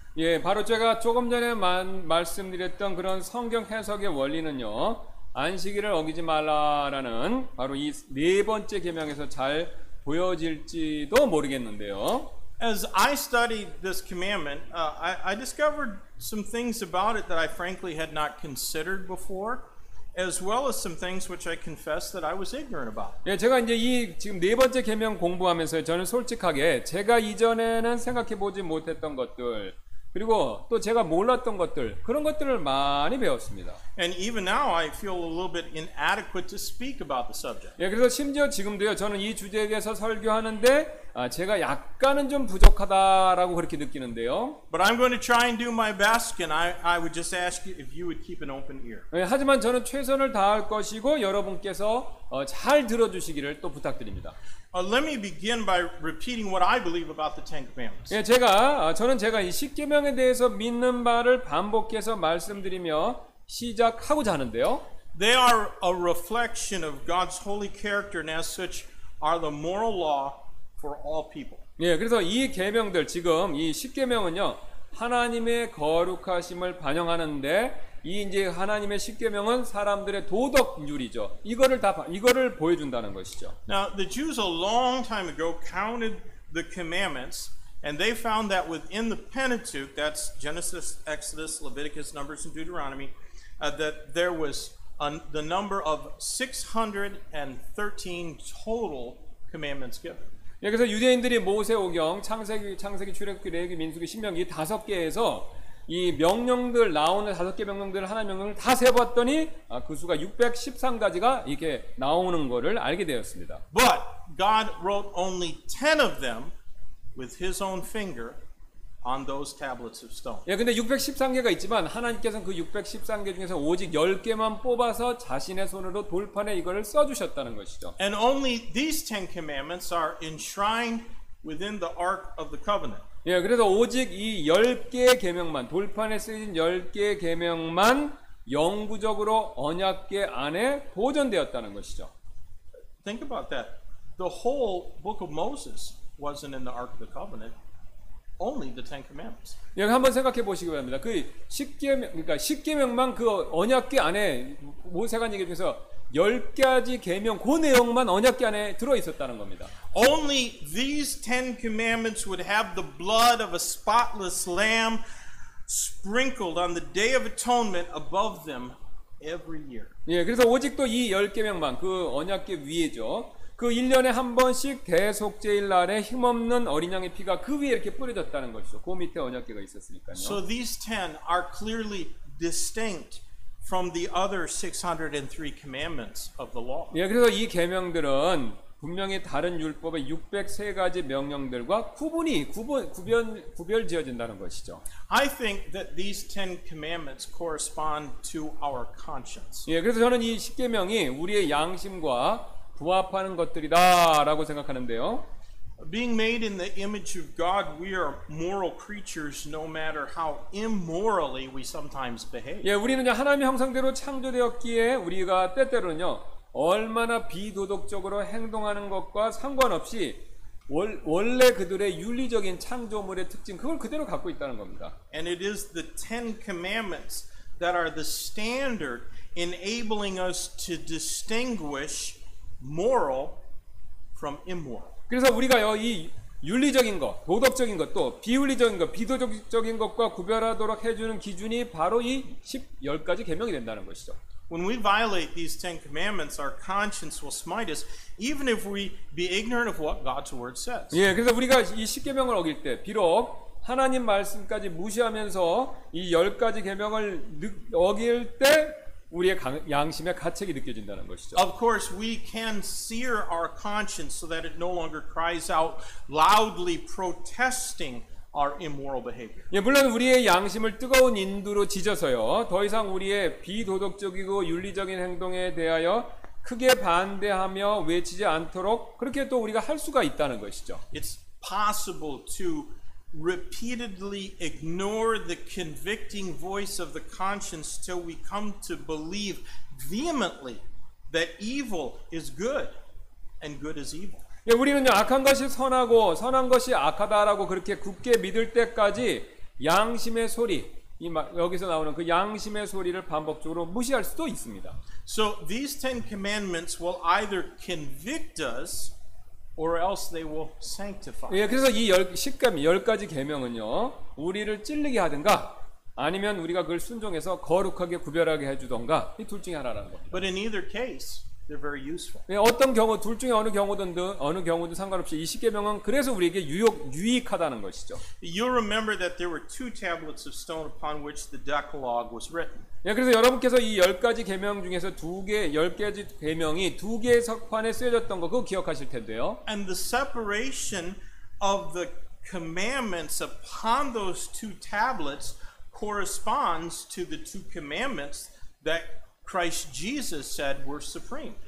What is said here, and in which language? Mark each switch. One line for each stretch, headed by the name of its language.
Korean: 예, 바로 제가 조금 전에 말씀드렸던 그런 성경 해석의 원리는요. 안식일을 어기지 말라라는 바로 이 네 번째 계명에서 잘 보여질지도 모르겠는데요.
English: As I studied this commandment, I discovered some things about it that I frankly had not considered before, as well as some things which I confess that I was ignorant about.
Korean: 예, 제가 이제 이 지금 네 번째 계명 공부하면서 저는 솔직하게 제가 이전에는 생각해 보지 못했던 것들 그리고 또 제가 몰랐던 것들 그런 것들을 많이 배웠습니다.
English: And even now I feel a little bit inadequate to speak about the subject.
Korean: 예, 그래서 심지어 지금도요. 저는 이 주제에 대해서 설교하는데 아, 제가 약간은 좀 부족하다라고 그렇게 느끼는데요.
English: But I'm going to try and do my best and I would just ask you if you would keep an open ear.
Korean: 예, 하지만 저는 최선을 다할 것이고 여러분께서 잘 들어 주시기를 또 부탁드립니다.
English: Let me begin by repeating what I believe about the Ten Commandments.
Korean: 예, 저는 제가 이 십계명에 대해서 믿는 바를 반복해서 말씀드리며 시작하고자 하는데요.
English: They are a reflection of God's holy character and as such are the moral law for all people.
Korean: 예, 그래서 이 계명들 지금 이 십계명은요. 하나님의 거룩하심을 반영하는데 이 이제 하나님의 십계명은 사람들의 도덕률이죠. 이거를 보여준다는 것이죠.
English: Now the Jews a long time ago counted the commandments and they found that within the Pentateuch, that's Genesis, Exodus, Leviticus, Numbers and Deuteronomy, that there was the number of 613 total commandments given.
Korean: 예, 그래서 유대인들이 모세오경, 창세기, 출애굽기, 레위기, 민수기, 신명기 다섯 개에서 이 명령들 나오는 다섯 개 명령들 하나 명령을 다 세봤더니 아, 그 수가 613가지가 이렇게 나오는 거를 알게 되었습니다.
English: But God wrote only 10 of them with His own finger on those tablets of stone.
Korean: 예, 근데 613개가 있지만 하나님께서는 그 613개 중에서 오직 10개만 뽑아서 자신의 손으로 돌판에 이거를 써 주셨다는 것이죠.
English: And only these 10 commandments are enshrined within the Ark of the Covenant.
Korean: 예, 그래서 오직 이 열 개의 계명만 돌판에 쓰인 열 개의 계명만 영구적으로 언약궤 안에 보존되었다는 것이죠.
English: Think about that. The whole book of Moses wasn't in the Ark of the Covenant. Only the Ten Commandments.
Korean: 예, 한번 생각해 보시기 바랍니다. 그 십계명, 그러니까 십계명만 그 언약궤 안에 모세가 얘기 중에서 열 가지 계명 그 내용만 언약궤 안에 들어 있었다는 겁니다.
English: Only these Ten Commandments would have the blood of a spotless lamb sprinkled on the Day of Atonement above them every year.
Korean: 예, 그래서 오직 또 이 열 계명만 그 언약궤 위에죠. 그 1년에 한 번씩 대속죄일 날에 힘없는 어린 양의 피가 그 위에 이렇게 뿌려졌다는 것이죠. 그 밑에 언약궤가 있었으니까요.
English: So these ten are clearly distinct from the other 603 commandments of the law.
Korean: 예, 그래서 이 계명들은 분명히 다른 율법의 603가지 명령들과 구별지어진다는 것이죠.
English: I think that these 10 commandments correspond to our conscience.
Korean: 예, 그래서 저는 이 십계명이 우리의 양심과 부합하는 것들이다라고 생각하는데요.
English: Being made in the image of God, we are moral creatures no matter how immorally we sometimes behave.
Korean: 예, 우리는 하나님의 형상대로 창조되었기에 우리가 때때로는요, 얼마나 비도덕적으로 행동하는 것과 상관없이 원래 그들의 윤리적인 창조물의 특징 그걸 그대로 갖고 있다는 겁니다.
English: And it is the Ten Commandments that are the standard enabling us to distinguish moral from immoral.
Korean: 그래서 우리가요 이 윤리적인 것, 도덕적인 것, 또 비윤리적인 것, 비도덕적인 것과 구별하도록 해주는 기준이 바로 이 10, 10가지 계명이 된다는 것이죠.
English: When we violate these Ten Commandments, our conscience will smite us, even if we be ignorant of what God's Word says.
Korean: 예, 그래서 우리가 이 십계명을 어길 때, 비록 하나님 말씀까지 무시하면서 이 열 가지 계명을 어길 때, 우리의 양심의 가책이 느껴진다는 것이죠.
English: Of course, we can sear our conscience so that it no longer cries out loudly, protesting our immoral behavior.
Korean: 예, 물론 우리의 양심을 뜨거운 인두로 지져서요. 더 이상 우리의 비도덕적이고 윤리적인 행동에 대하여 크게 반대하며 외치지 않도록 그렇게 또 우리가 할 수가 있다는 것이죠.
English: It's possible to repeatedly ignore the convicting voice of the conscience till we come to believe vehemently that evil is good and good is evil.
Korean: 예, 우리는 악한 것이 선하고 선한 것이 악하다라고 그렇게 굳게 믿을 때까지 양심의 소리, 이 여기서 나오는 그 양심의 소리를 반복적으로 무시할 수도 있습니다.
English: So these Ten Commandments will either convict us or else they will sanctify.
Korean: 예, 그래서 이 10가지 계명은요, 우리를 찔리게 하든가 아니면 우리가 그걸 순종해서 거룩하게 구별하게 해주던가 이 둘 중에 하나라는 겁니다.
English: But in either case, they're very useful.
Korean: 예, 어떤 경우 둘 중에 어느 경우든 상관없이 이 십계명은 그래서 우리에게 유익하다는 것이죠.
English: You remember that there were two tablets of stone upon which the Decalogue was written.
Korean: 예, 그래서 여러분께서 이 열 가지 계명 중에서 열 가지 계명이 두 개의 석판에 쓰여졌던 거 그거 기억하실 텐데요.
English: And the separation of the commandments upon those two tablets corresponds to the two commandments that Christ Jesus said were supreme.